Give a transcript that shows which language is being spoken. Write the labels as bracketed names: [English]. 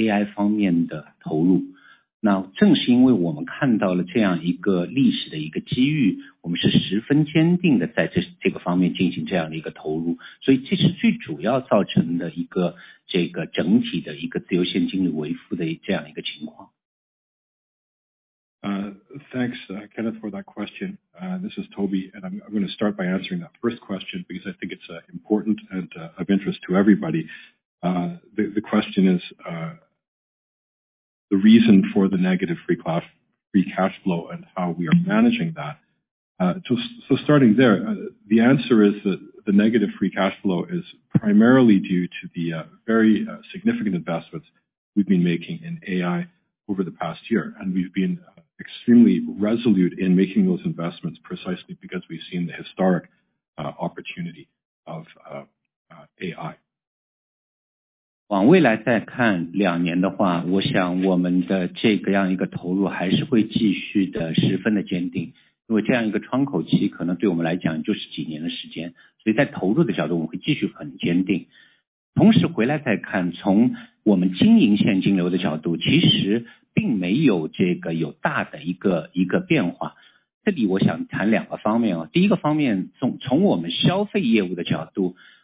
[Chinese] OK，谢谢你的问题，我想我先来这个回答第一部分，因为我觉得大家可能现在特别这个季度看到我们的这个自由现金流是一个负数，所以大家可能会比较关心我们是怎么来控我们这个自由现金流的。我想首先大家可以看得到，这样一个自由现金流的负数最关键的还是我们在过去一年的在AI方面的投入。那正是因为我们看到了这样一个历史的一个机遇，我们是十分坚定的在这个方面进行这样的一个投入，所以这是最主要造成的一个这个整体的一个自由现金流为负的这样一个情况。 [English] Thanks, Kenneth, for that question. This is Toby, and I'm going to start by answering that first question because I think it's important and of interest to everybody. The question is, the reason for the negative free cash flow and how we are managing that. So starting there, the answer is that the negative free cash flow is primarily due to the very significant investments we've been making in AI over the past year. And we've been extremely resolute in making those investments precisely because we've seen the historic opportunity of AI. [Chinese] 往未来再看两年的话，我想我们的这个样一个投入还是会继续的十分的坚定，因为这样一个窗口期可能对我们来讲就是几年的时间，所以在投入的角度我们会继续很坚定。同时回来再看，从我们经营现金流的角度，其实并没有这个有大的一个变化。这里我想谈两个方面啊，第一个方面从我们消费业务的角度。